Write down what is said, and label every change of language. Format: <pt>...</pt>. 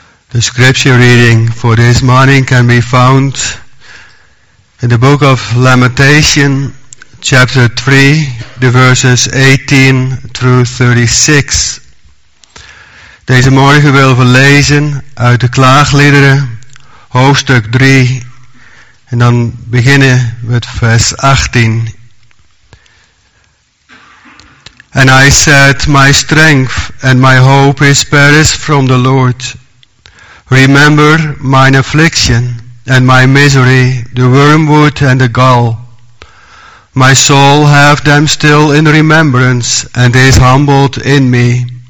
<en>The scripture reading for this morning can be found in the book of Lamentation, chapter 3, the verses 18 through 36.</en> <nl>Deze morgen willen we lezen uit de Klaagliederen, hoofdstuk 3, en dan beginnen met vers 18.</nl> <en>And I said, my strength and my hope is perished from the Lord. Remember mine affliction and my misery, the wormwood and the gall. My soul hath them still in remembrance, and is humbled in me.</en>